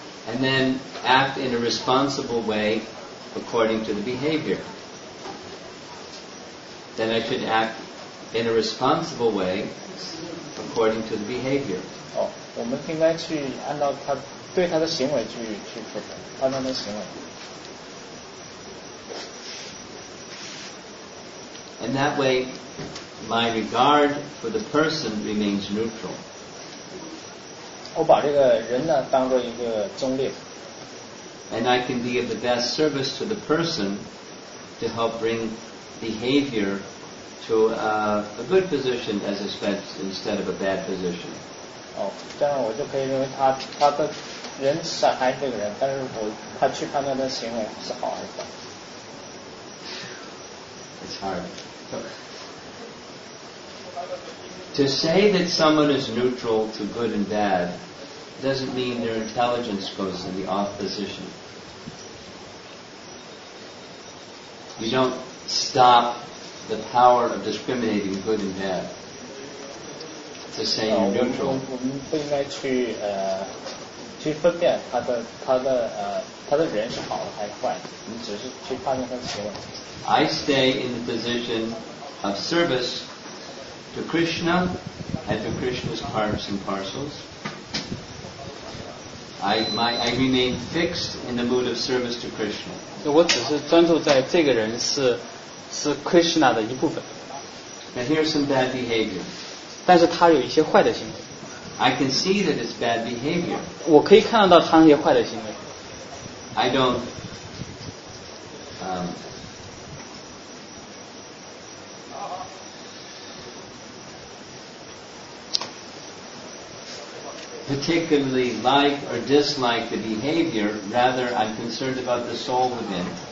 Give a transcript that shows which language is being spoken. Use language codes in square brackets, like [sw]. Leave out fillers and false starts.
[en] And then act in a responsible way according to the behavior. Then I should act in a responsible way according to the behavior. [zh] 我们应该去按照他对他的行为去负责，按照他的行为。 [en] And that way, my regard for the person remains neutral. [zh] 我把这个人呢当作一个中立。 [en] And I can be of the best service to the person to help bring behavior to a good position as a spent instead of a bad position. [zh] 这样我就可以认为他的人伤害这个人，但是他去判断的行为是好还是不好。 [en] It's hard. To say that someone is neutral to good and bad.Doesn't mean their intelligence goes in the off position. We don't stop the power of discriminating good and bad. To say you're neutral. [zh] 我们不应该去分辨他的人是好的还是坏的，我们只是去判断他的行为。 [en] I stay in the position of service to Krishna and to Krishna's parts and parcels. I remain fixed in the mood of service to Krishna. [zh] 我只是专注在这个人是 Krishna 的一部分。 [en] Now here's some bad behavior. [zh] 但是他有一些坏的行为。 [en] I can see that it's bad behavior. [zh] 我可以看到他那些坏的行为。 [en] I don't particularly like or dislike the behavior, rather I'm concerned about the soul within.